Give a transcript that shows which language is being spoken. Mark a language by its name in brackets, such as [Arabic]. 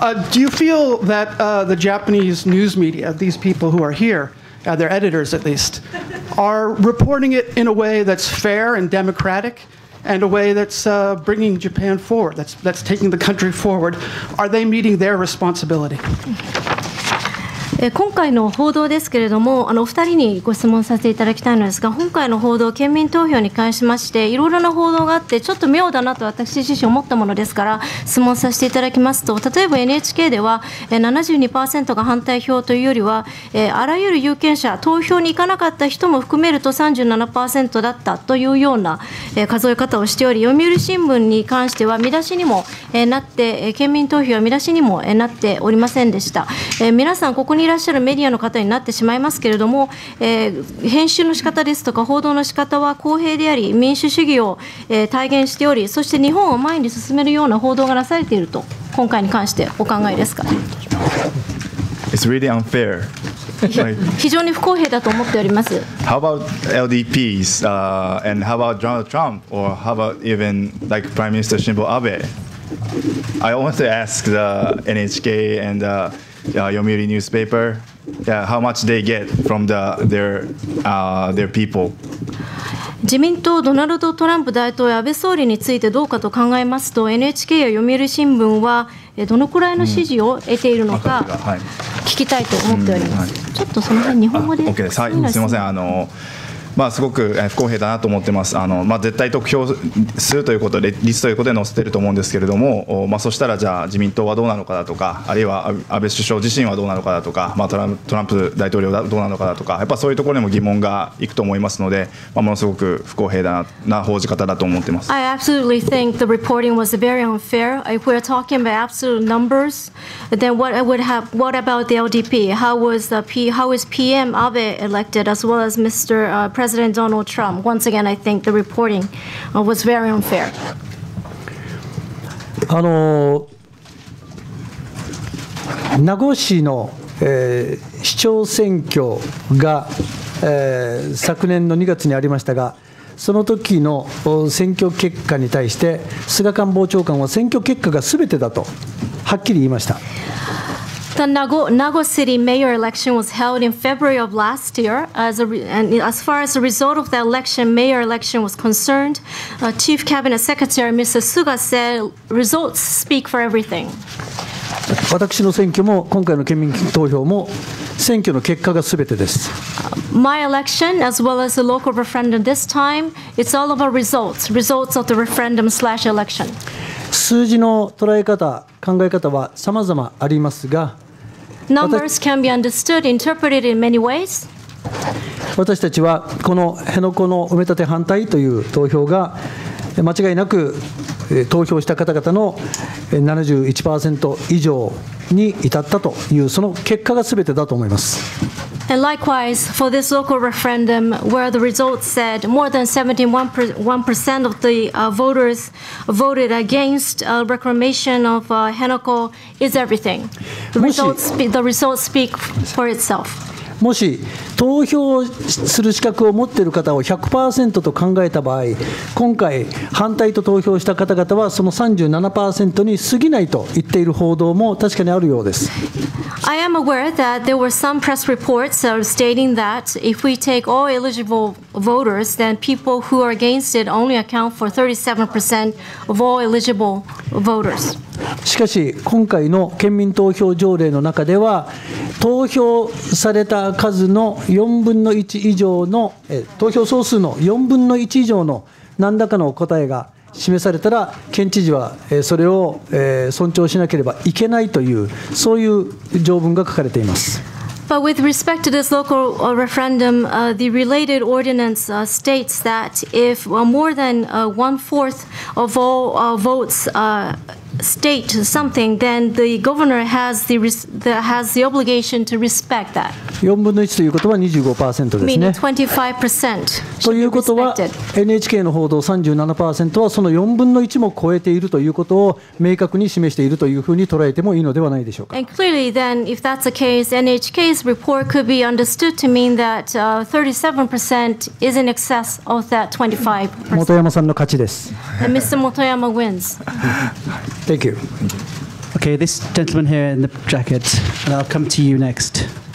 [English] Do you feel that the Japanese news media, these people who are here, their editors at least, are reporting it in a way that's fair and democratic and a way that's bringing Japan forward, that's taking the country forward? Are they meeting their responsibility? [Japanese] 今回の報道ですけれども、お二人にご質問させていただきたいのですが、今回の報道、県民投票に関しまして、いろいろな報道があって、ちょっと妙だなと私自身思ったものですから、質問させていただきますと、例えば NHK では、72% が反対票というよりは、あらゆる有権者、投票に行かなかった人も含めると37% だったというような数え方をしており、読売新聞に関しては、見出しにもなって、県民投票は見出しにもなっておりませんでした。皆さんここにいらっしゃるメディアの方になってしまいますけれども、編集の仕方ですとか報道の仕方は公平であり民主主義を、体現しておりそして日本を前に進めるような報道がなされていると今回に関してお考えですか [English] It's really unfair. [Japanese] 非常に不公平だと思っております [English] How about LDPs、and how about Donald Trump or how about even like Prime Minister Shinzo Abe I want to ask the NHK andYomiuri newspaper, yeah, how much they get from their people. [Japanese] 自民党ドナルド・トランプ大統領安倍総理についてどうかと考えますと NHK や読売新聞はどのくらいの支持を得ているのか聞きたいと思っております、うんはい、ちょっとその辺日本語で OK です、はい、すみませんすごく不公平だなと思ってます絶対得票数ということで率ということで載せてると思うんですけれども、そしたらじゃあ自民党はどうなのかだとかあるいは安倍首相自身はどうなのかだとか、トランプ大統領はどうなのかだとかやっぱそういうところにも疑問がいくと思いますので、ものすごく不公平だな報じ方だと思ってます [English] I absolutely think the reporting was very unfair If we're talking about absolute numbers then what about the LDP? How is PM Abe elected as well as Mr. President Donald Trump. Once again, I think the reporting was very unfair. [Japanese] あの名護市の、市長選挙が、昨年の2月にありましたが、その時の選挙結果に対して菅官房長官は選挙結果がすべてだとはっきり言いました。 [English] The Nago City mayor election was held in February of last year. As far as the result of the election, mayor election was concerned, Chief Cabinet Secretary Mr. Suga said results speak for everything. [Japanese] 私の選挙も今回の県民投票も選挙の結果がすべてです。 [English] My election as well as the local referendum this time, it's all about results, results of the referendum slash election. [Japanese] 数字の捉え方、考え方は様々ありますが、 [English] Numbers can be understood, interpreted in many ways. [Japanese] 私たちはこの辺野古の埋め立て反対という投票が間違いなく投票した方々の 71% 以上に至ったというその結果が全てだと思います。 [English] And likewise, for this local referendum, where the results said more than 71% of the voters voted against a reclamation of Henoko is everything. The results speak for itself. [Japanese] もし投票する資格を持っている方を 100% と考えた場合、今回反対と投票した方々はその 37% に過ぎないと言っている報道も確かにあるようです。 [English] I am aware that there were some press reports stating that if we take all eligible voters, then people who are against it only account for 37% of all eligible voters. [Japanese] しかし今回の県民投票条例の中では、投票された数の4分の1以上の投票総数の4分の1以上の何らかの答えが示されたら、県知事はそれを尊重しなければいけないというそういう条文が書かれています。 [English] But with respect to this local referendum, the related ordinance states that if more than one-fourth of all votes state something, then the governor has the obligation to respect that. [Japanese] 4分の1ということは 25% ですね。 [English] Meaning 25% [Japanese] ということは、NHK の報道 37% はその4分の1も超えているということを明確に示しているというふうに捉えてもいいのではないでしょうか。 [English] And clearly then, if that's the case, NHK's report could be understood to mean that 37% is in excess of that 25%. 元山さんの勝ちです。 And Mr. Motoyama wins. Thank you. Okay, this gentleman here in the jacket, and I'll come to you next.